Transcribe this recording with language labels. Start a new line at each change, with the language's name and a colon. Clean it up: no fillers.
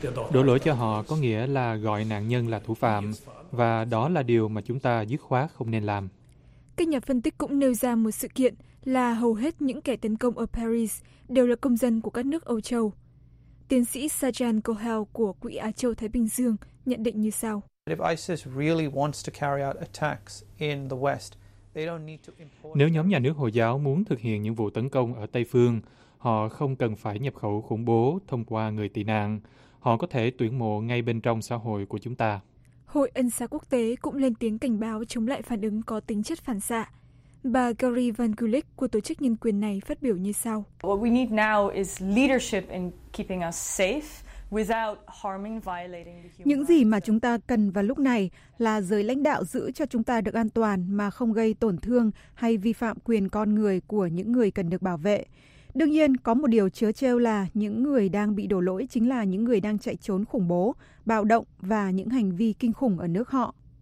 Vietnamese: Đổ lỗi cho họ có nghĩa là gọi nạn nhân là thủ phạm, và đó là điều mà chúng ta dứt khoát không nên làm. Các nhà phân tích cũng nêu ra một sự kiện là hầu hết những kẻ tấn công ở Paris đều là công dân của các nước Âu Châu. Tiến sĩ Sajan Kohel của Quỹ Á Châu Thái Bình Dương nhận định như sau.
English: If ISIS really wants to carry out attacks in the West,
Vietnamese: Nếu nhóm nhà nước Hồi giáo muốn thực hiện những vụ tấn công ở Tây Phương, họ không cần phải nhập khẩu khủng bố thông qua người tị nạn. Họ có thể tuyển mộ ngay bên trong xã hội của chúng ta. Hội Ân xá Quốc tế cũng lên tiếng cảnh báo chống lại phản ứng có tính chất phản xạ. Bà Gary Van Gulik của tổ chức nhân quyền này phát biểu như sau.
English: What we need now is leadership in keeping us safe without harming, violating the human rights.
Vietnamese: Những gì mà chúng ta cần vào lúc này là giới lãnh đạo giữ cho chúng ta được an toàn mà không gây tổn thương hay vi phạm quyền con người của những người cần được bảo vệ. Đương nhiên, có một điều trớ trêu là những người đang bị đổ lỗi chính là những người đang chạy trốn khủng bố, bạo động và những hành vi kinh khủng ở nước họ.